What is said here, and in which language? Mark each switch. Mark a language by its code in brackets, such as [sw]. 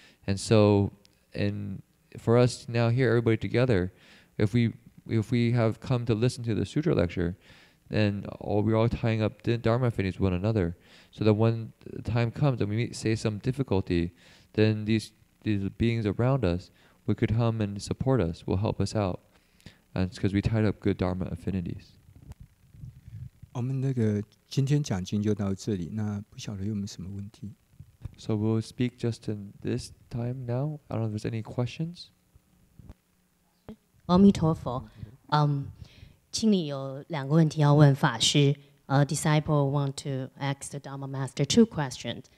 [en] And so, and for us now here, everybody together, if we have come to listen to the sutra lecture,then we're all tying up Dharma affinities with one another. So that when the time comes and we meet, say, some difficulty, then these beings around us, we could come and support us, will help us out. And it's because we tied up good Dharma affinities. [zh] 我们那个今天讲经就到这里，那不晓得有没有什么问题。 [en] So we'll speak just in this time now. I don't know if there's any questions. [zh] 阿弥陀佛。请你有两个问题要问法师。 [en] A disciple want to ask the Dharma Master two questions.